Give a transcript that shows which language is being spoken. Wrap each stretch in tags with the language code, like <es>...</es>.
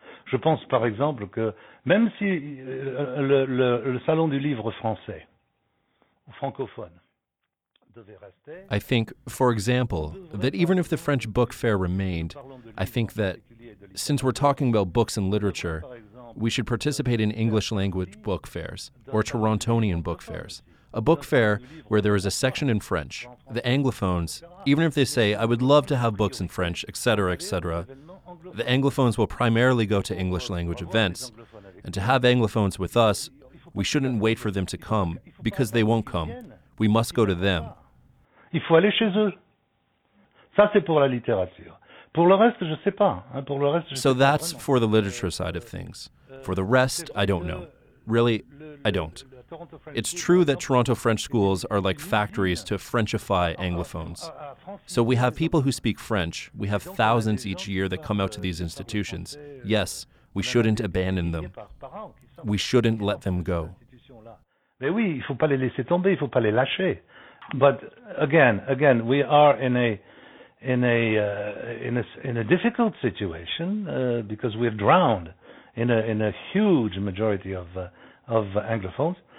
<fr>Je pense, par exemple, que même si le salon du livre français ou francophone devait rester,</fr> <en>I think, for example, that even if the French book fair remained, I think that since we're talking about books and literature, we should participate in English language book fairs or Torontonian book fairs. A book fair where there is a section in French, the Anglophones, even if they say, I would love to have books in French, etc., etc., the Anglophones will primarily go to English language events. And to have Anglophones with us, we shouldn't wait for them to come, because they won't come. We must go to them.</en> <fr>Il faut aller chez eux. Ça, c'est pour la littérature. Pour le reste, je sais pas. Pour le reste,</fr> <en>so that's for the literature side of things. For the rest, I don't know. Really, I don't. It's true that Toronto French schools are like factories to Frenchify Anglophones. So we have people who speak French. We have thousands each year that come out to these institutions. Yes, we shouldn't abandon them. We shouldn't let them go.</en> <fr>Mais oui, il faut pas les laisser tomber, il faut pas les lâcher.</fr> <en>But again, we are in a difficult situation because we're drowned in a huge majority of Anglophones.</en>